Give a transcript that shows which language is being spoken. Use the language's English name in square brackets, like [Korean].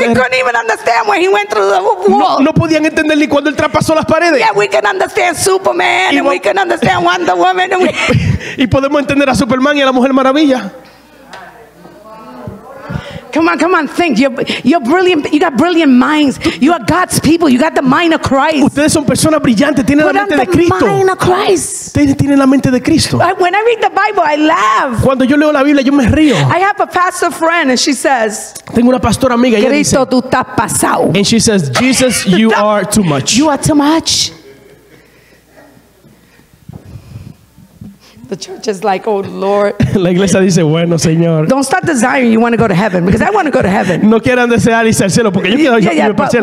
[English] They couldn't even understand when he went through the wall. [Spanish] No podían entender ni cuando él traspasó las paredes. [English] Yeah, we can understand Superman and we can understand Wonder Woman. [Spanish] Y podemos entender a Superman y a la Mujer Maravilla. [English] Come on, come on, think. You're brilliant. You got brilliant minds. You are God's people. You got the mind of Christ. [Spanish] Ustedes son personas brillantes. Tienen [English] put [Spanish] la mente de Cristo. [English] Mind of Christ. [Spanish] Ustedes tienen la mente de Cristo. [English] When I read the Bible, I laugh. [Spanish] Cuando yo leo la Biblia, yo me río. [English] I have a pastor friend, and she says. [Spanish] Tengo una pastora amiga y ella Cristo, dice, tú estás pasado. [English] And she says, Jesus, you are too much. You are too much. The church is like, oh Lord. [Spanish] La iglesia dice, bueno, señor. [English] Don't start desiring you want to go to heaven because I want to go to heaven. [Spanish] No quieran desear irse al cielo porque yo quiero irme al cielo.